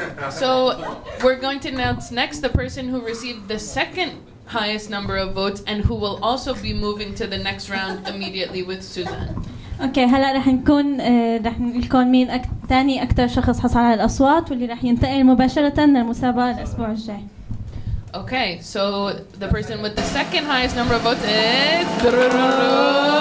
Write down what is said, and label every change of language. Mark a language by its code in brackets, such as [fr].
[en] So we're going to announce next the person who received the second highest number of votes and who will also be moving to the next round immediately with Suzan. [ar] Okay, هلا رح نكون رح نقول لكم مين ثاني اكثر شخص حصل على الاصوات واللي رح ينتقل مباشره للمسابقه الاسبوع الجاي. [en] Okay, so the person with the second highest number of votes is.